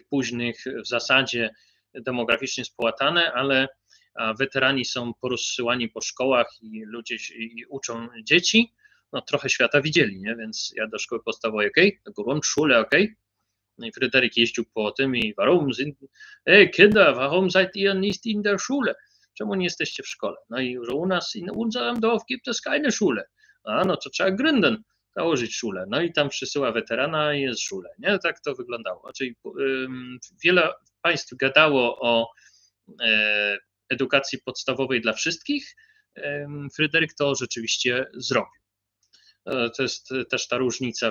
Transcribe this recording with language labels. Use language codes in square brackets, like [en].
[pl] późnych w zasadzie demograficznie spłatane, ale weterani są porozsyłani po szkołach i ludzie i uczą dzieci. No trochę świata widzieli, nie? Więc ja do szkoły podstawowej, okej. No i Fryderyk jeździł po tym i [de] warum seid ihr nicht in der Schule? [pl] Czemu nie jesteście w szkole? No i że u nas [de] in unserem Dorf gibt es keine Schule. [pl] A no to trzeba [de] gründen. [pl] Założyć szulę. No i tam przysyła weterana i jest szulę. Nie? Tak to wyglądało. Czyli wiele państw gadało o edukacji podstawowej dla wszystkich. Fryderyk to rzeczywiście zrobił. To jest też ta różnica.